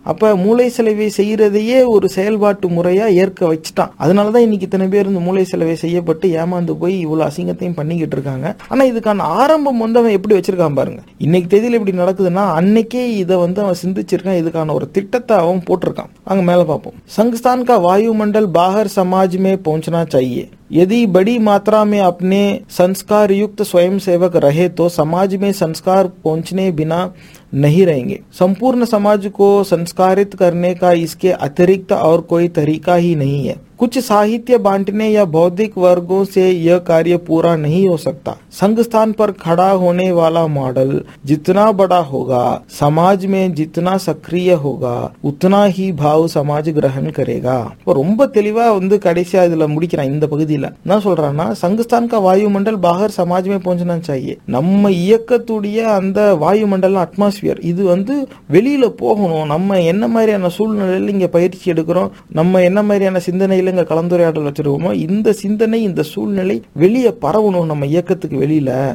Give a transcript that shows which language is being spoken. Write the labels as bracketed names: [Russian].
[Tamil] அப்ப மூளை செலவை செய்யறதையே ஒரு செயல்பாட்டு முறையா ஏற்க வச்சுட்டான். அதனாலதான் இன்னைக்கு இத்தனை பேர் இந்த மூளை செலவை செய்யப்பட்டு ஏமாந்து போய் இவ்வளவு அசிங்கத்தையும் பண்ணிக்கிட்டு இருக்காங்க. ஆனா இதுக்கான ஆரம்பம் வந்து அவன் எப்படி வச்சிருக்கான் பாருங்க. இன்னைக்கு தேதியில் இப்படி நடக்குதுன்னா, அன்னைக்கே இதை வந்து அவன் சிந்திச்சிருக்கான். இதுக்கான ஒரு திட்டத்தை அவன் போட்டிருக்கான். அங்க மேல பார்ப்போம். [Hindi] சங்கஸ்தான் கா வாயுமண்டல் பாகர் சமாஜ்மே போஞ்சனா சையே यदि बड़ी मात्रा में अपने संस्कार युक्त स्वयं सेवक रहे तो समाज में संस्कार पहुंचने बिना नहीं रहेंगे. संपूर्ण समाज को संस्कारित करने का इसके अतिरिक्त और कोई तरीका ही नहीं है. कुछ साहित्य बांटने या बौद्धिक वर्गों से यह कार्य पूरा नहीं हो सकता. संघ स्थान पर खड़ा होने वाला मॉडल जितना बड़ा होगा, समाज में जितना सक्रिय होगा, उतना ही भाव समाज ग्रहण करेगा. [Tamil] ரொம்ப தெளிவா வந்து கடைசியா இதுல முடிக்கிறான். இந்த பகுதியில நான் சொல்றேன்னா, [Hindi] சங்கஸ்தான் கா வாயுமண்டல் பாகர் சமாஜ் மே போஞ்சனா சாயே, [Tamil] நம்ம இயக்கத்துடைய அந்த வாயுமண்டல் அட்மாஸ்பியர் இது வந்து வெளியில போகணும். நம்ம என்ன மாதிரியான சூழ்நிலையில இங்க பயிற்சி எடுக்கிறோம், நம்ம என்ன மாதிரியான சிந்தனை கலந்துரையாடல் வச்சிருவோமோ, இந்த சிந்தனை இந்த சூழ்நிலை வெளியே பரவணும் நம்ம இயக்கத்துக்கு வெளியில.